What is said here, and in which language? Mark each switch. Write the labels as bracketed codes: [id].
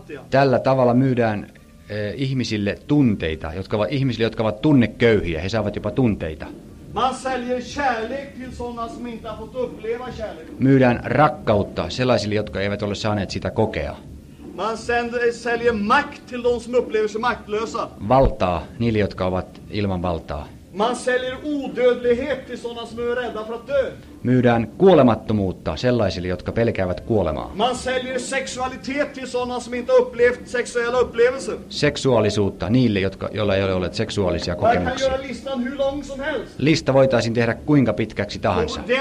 [fi] Tällä tavalla myydään ihmisille tunteita, jotka ovat tunneköyhiä, he saavat jopa tunteita. [sv] Man säljer kärlek till såna som inte har fått uppleva kärlek. [fi] Myydään rakkautta sellaisille, jotka eivät ole saaneet sitä kokea. [sv] Man säljer makt till de som upplever sig maktlösa. [fi] Valtaa niille, jotka ovat ilman valtaa. [sv] Man säljer odödlighet till såna som är rädda för att dö. [fi] Myydään kuolemattomuutta sellaisille, jotka pelkäävät kuolemaa. [sv] Man säljer sexualitet till såna som inte upplevt sexuella upplevelser. [fi] Seksuaalisuutta niille, jolla ei ole olleet seksuaalisia kokemuksia. Lista voitaisiin tehdä kuinka pitkäksi tahansa.